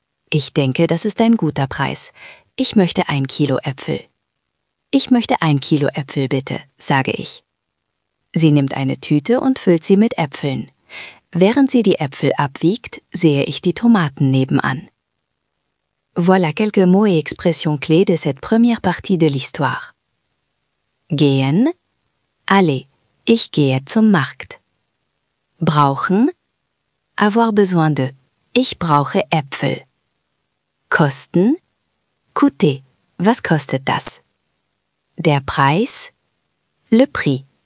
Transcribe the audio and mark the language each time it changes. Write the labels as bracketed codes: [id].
[de] Ich denke, das ist ein guter Preis. Ich möchte 1 Kilo Äpfel. Ich möchte 1 Kilo Äpfel, bitte, sage ich. Sie nimmt eine Tüte und füllt sie mit Äpfeln. Während sie die Äpfel abwiegt, sehe ich die Tomaten nebenan. [fr] Voilà quelques mots et expressions clés de cette première partie de l'histoire. [de] Gehen. Allez, ich gehe zum Markt. Brauchen. [fr] Avoir besoin de. [de] Ich brauche Äpfel. Kosten. Coûter. Was kostet das? Der Preis. [fr] Le prix.